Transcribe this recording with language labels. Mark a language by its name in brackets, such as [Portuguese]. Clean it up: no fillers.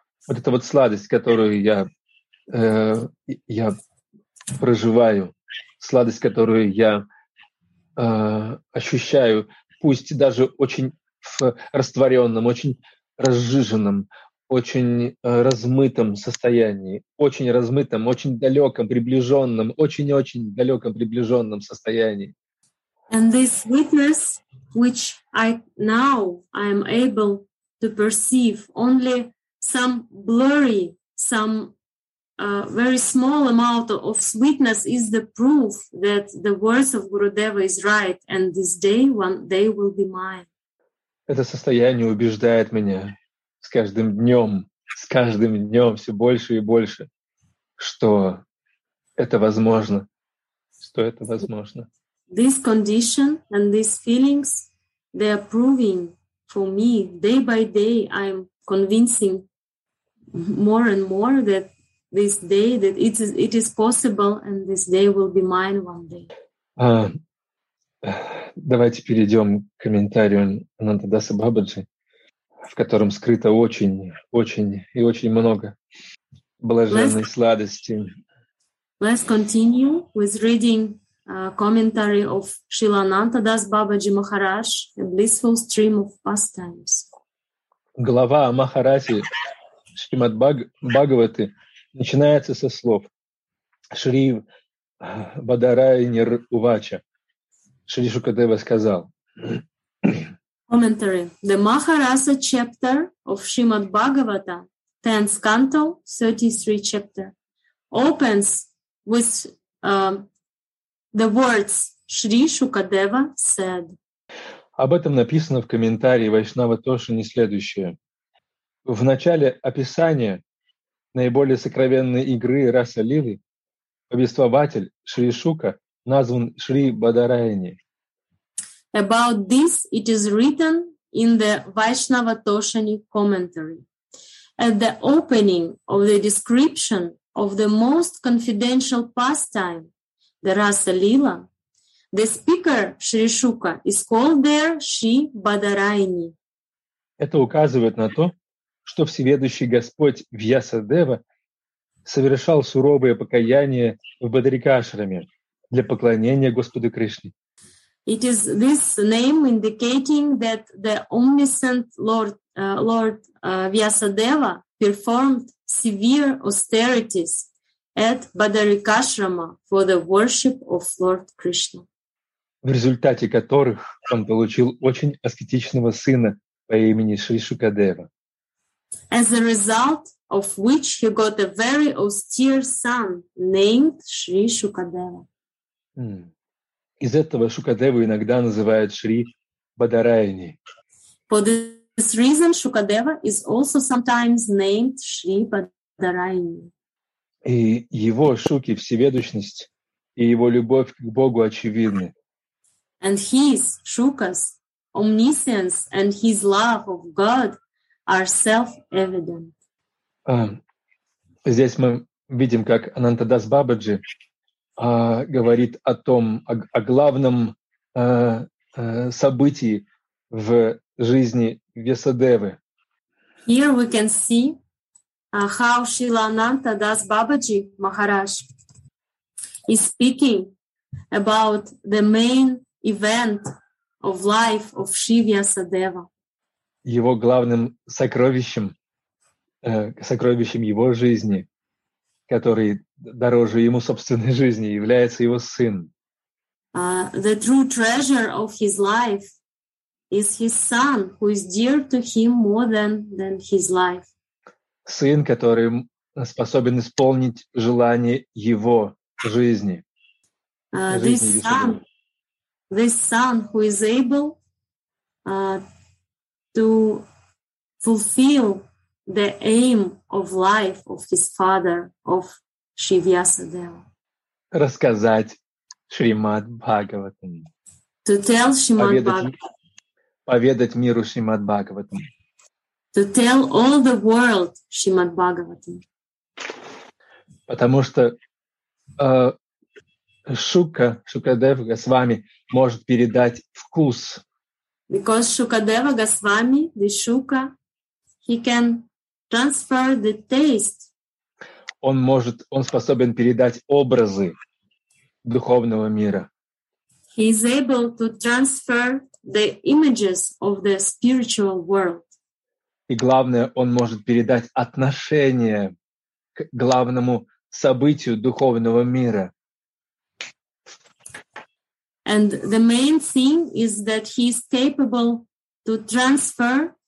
[Russian] Вот эта вот сладость, которую я проживаю, сладость, которую я ощущаю, пусть даже очень в растворенном, очень разжиженном, очень размытом состоянии, очень размытом, очень далеком, приближенном, очень-очень далеком, приближенном состоянии. [English] And this witness, which I now I am able to perceive only some blurry, some very small amount of sweetness is the proof that the words of Gurudeva is right, and this day, one day, will be mine. [Russian] Это состояние убеждает меня с каждым днем все больше и больше, что это возможно, что это возможно. [English] This condition and these feelings, they are proving for me day by day. I'm convincing more and more that this day, that it is possible, and this day will be mine one day. [Russian] Давайте перейдем к комментарию Анандадаса Бабаджи, в котором скрыто очень, очень и очень много блаженной сладости. [English] Let's continue with reading commentary of Srila Anantadas Babaji Maharaj, A Blissful Stream of Pastimes. [Russian] Глава о Махараси Шримад Бхагаваты начинается со слов Шри Бадарайнир Увача. Шри Шукадева сказал. [English] Commentary. The Maharasa chapter of Srimad Bhagavata, 10th canto, 33 chapter, opens with the words Шри Шукадева said. [Russian] Об этом написано в комментарии Вайшнава Тошини следующее. В начале описания наиболее сокровенной игры раса Лилы повествователь Шри Шука назван Шри Бадарайни. [English] About this it is written in the Vaishnava Toshani commentary. At the opening of the description of the most confidential pastime, the Rasa Lila, the speaker Shri Shuka is called there Shri Badarayini. [Russian] Это указывает на то, что Всеведущий Господь Вьясадева совершал суровое покаяние в Бадрикашраме для поклонения Господу Кришне. [English] It is this name indicating that the omniscient Lord Vyasadeva performed severe austerities at Badrikashrama for the worship of Lord Krishna. [Russian] В результате которых он получил очень аскетичного сына по имени Шри Шукадева. [English] As a result of which he got a very austere son named Шри Шукадева. [Russian] Из этого Шукадеву иногда называют Шри Бадарайни. [English] For this reason, Шукадева is also sometimes named Шри Бадарайни. [Russian] И его Шуки, всеведущность и его любовь к Богу очевидны. [English] And his Shukas, omniscience and his love of God are self-evident. [Russian] Здесь мы видим, как Анантадас Бабаджи говорит о том, о главном событии в жизни Вьясадевы. [English] Here we can see how Srila Anantadas Babaji Maharaj is speaking about the main event of life of Shri Vyasadeva. [Russian] Его главным сокровищем, сокровищем его жизни, который дороже ему собственной жизни, является его сын. [English] The true treasure of his life is his son, who is dear to him more than his life. [Russian] Сын, который способен исполнить желание его жизни. [English] This son who is able to fulfill the aim of life of his father, of Шри Вьясадева. [Russian] Рассказать Шримад Бхагаватам. [English] To tell Шримад Бхагаватам. [Russian] Поведать миру Шримад Бхагаватам. [English] To tell all the world Шримад Бхагаватам. [Russian] Потому что Шукадева Госвами может передать вкус. [English] Because Шукадева Госвами, the Shuka, he can transfer the taste. [Russian] Он способен передать образы духовного мира. [English] He is able to transfer the images of the spiritual world. [Russian] И главное, он может передать отношение к главному событию духовного мира. [English] And the main thing is that he is capable to transfer